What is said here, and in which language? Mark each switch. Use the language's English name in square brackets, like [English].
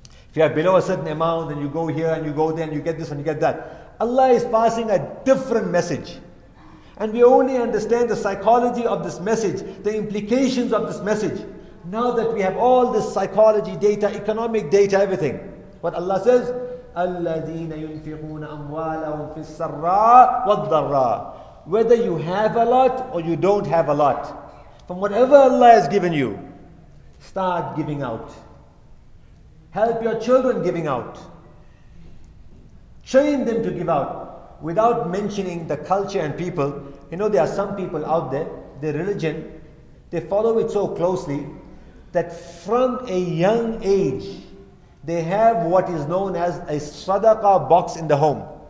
[English] If you have below a certain amount, then you go here and you go there and you get this and you get that. Allah is passing a different message. And we only understand the psychology of this message, the implications of this message, now that we have all this psychology data, economic data, everything. What Allah says, [Arabic] أَلَّذِينَ يُنْفِقُونَ أَمْوَالَهُمْ فِي السَّرَّاءِ وَالضَّرَّاءِ. [English] Whether you have a lot or you don't have a lot, from whatever Allah has given you, start giving out. Help your children giving out. Train them to give out. Without mentioning the culture and people, you know, there are some people out there, their religion, they follow it so closely that from a young age, they have what is known as a sadaqah box in the home.